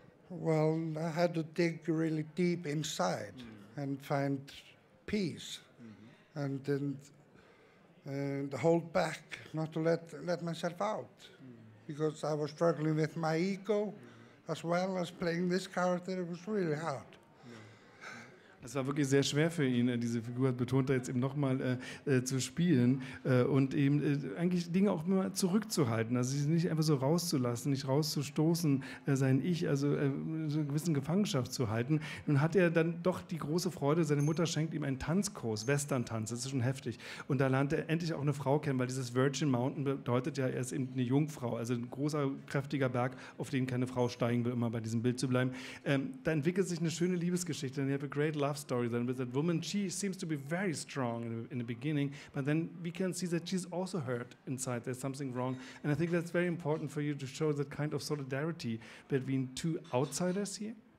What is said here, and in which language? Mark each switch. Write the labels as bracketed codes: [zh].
[en] Well, I had to dig really deep inside. Mm. And find peace, mm-hmm. and then hold back, not to let myself out, mm-hmm. because I was struggling with my ego, mm-hmm. as well as playing this character. It was really hard. [de] Es war wirklich sehr schwer für ihn, diese Figur, betont er jetzt eben nochmal, zu spielen und eben eigentlich Dinge auch immer zurückzuhalten, also sie nicht einfach so rauszulassen, nicht rauszustoßen, sein Ich, also so eine gewisse Gefangenschaft zu halten. Nun hat er dann doch die große Freude, seine Mutter schenkt ihm einen Tanzkurs, Western-Tanz, das ist schon heftig. Und da lernt er endlich auch eine Frau kennen, weil dieses Virgin Mountain bedeutet ja, er ist eben eine Jungfrau, also ein großer, kräftiger Berg, auf den keine Frau steigen will, immer bei diesem Bild zu bleiben. Da entwickelt sich eine schöne Liebesgeschichte, eine [en] great love story then with that woman. She seems to be very strong in the beginning, but then we can see that she's also hurt inside. There's something wrong, and I think that's very important for you to show that kind of solidarity between two outsiders here.